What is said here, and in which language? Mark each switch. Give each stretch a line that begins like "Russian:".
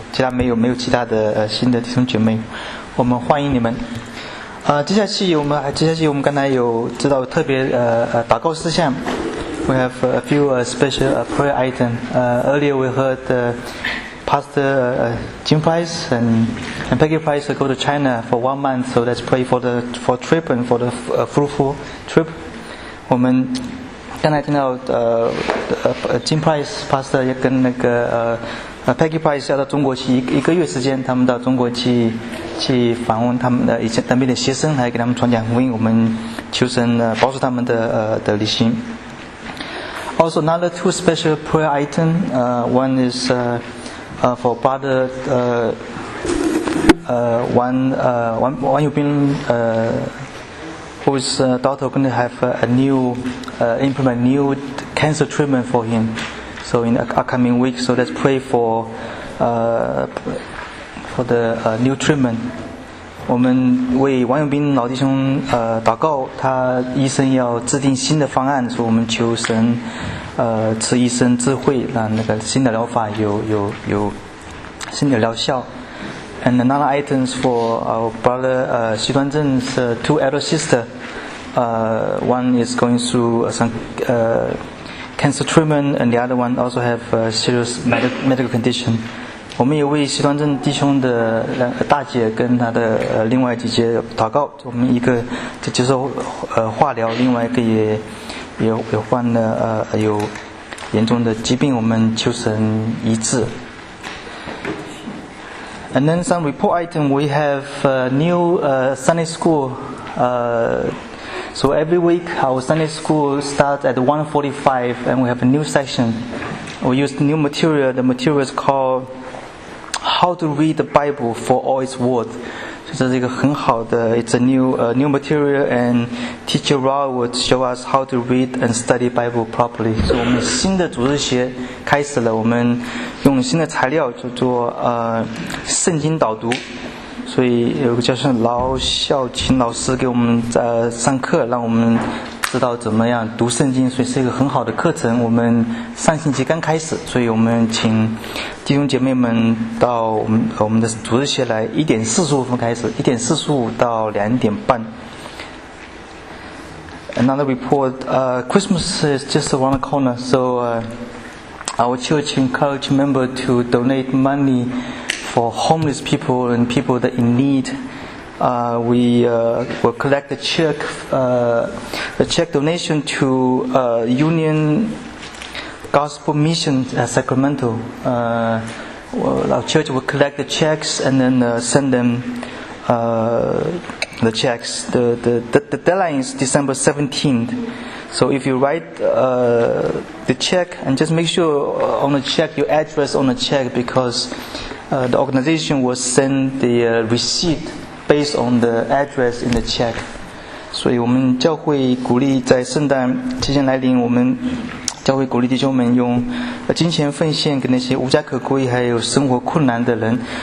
Chinese: 其他没有其他的新的弟兄姐妹，我们欢迎你们。接下去我们刚才有知道特别祷告事项。
English: We have a few special prayer items. Earlier we heard Pastor Jim Price and Peggy Price go to China for 1 month, so let's pray for trip and for the fruitful trip.
Chinese: 我们刚才听到Jim Price Pastor 也跟那个Peggy Price 要到中国去一个月时间，他们到中国去访问他们的以前当兵的学生，还给他们传讲福音。我们求神保守他们的旅行。
English: Also another two special prayer item. One is for brother one you've been whose daughter going to have a new implement new cancer treatment for him. So in the upcoming week, so let's pray for the new treatment.
Chinese: 我们为王永斌老弟兄祷告，他医生要制定新的方案，所以我们求神赐医生智慧，让那个新的疗法有新的疗效。
English: And another items for our brother, 西端镇's two elder sisters. One is going through some cancer treatment, and the other one also have a serious medical condition.
Chinese: 我们也为西端镇弟兄的大姐跟他的另外姐姐祷告，我们一个就接受化疗，另外一个也患了有严重的疾病，我们求神医治。
English: And then some report item, we have a new Sunday school. So every week our Sunday school starts at 1:45 and we have a new section. We use new material. The material is called How to Read the Bible for All Its Words. So this is a very good, it's a new material, and Teacher Rao would show us how to read and study Bible properly. So we started a new lesson.
Chinese: 用新的材料就做圣经导读，所以有个叫做劳孝琴老师给我们上课，让我们知道怎么样读圣经，所以是一个很好的课程。我们上星期刚开始，所以我们请弟兄姐妹们到我们的主日学来，1:45开始，1:45到2:30。
English: Another report, Christmas is just around the corner, so. Our church encourage members to donate money for homeless people and people that are in need. We will collect a check donation to Union Gospel Mission at Sacramento. Our church will collect the checks and then send them the checks. The deadline is December 17th. So if you write the check, and just make sure on the check, your address on the check, because the organization will send the receipt based on the address in the check.
Chinese: 所以我们教会鼓励在圣诞期间来临，我们教会鼓励弟兄们用金钱奉献给那些无家可归还有生活困难的人。